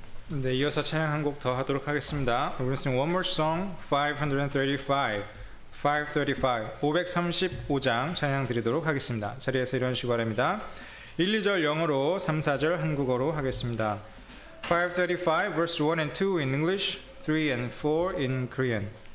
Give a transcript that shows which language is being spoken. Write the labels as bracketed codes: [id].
[en] We're going to sing one more song, 535, [ko] 535장 찬양 드리도록 하겠습니다. 자리에서 이런 식으로 하랍니다. 1, 2절 영어로, 3, 4절 한국어로 하겠습니다. [en] 535, verse 1 and 2 in English, 3 and 4 in Korean.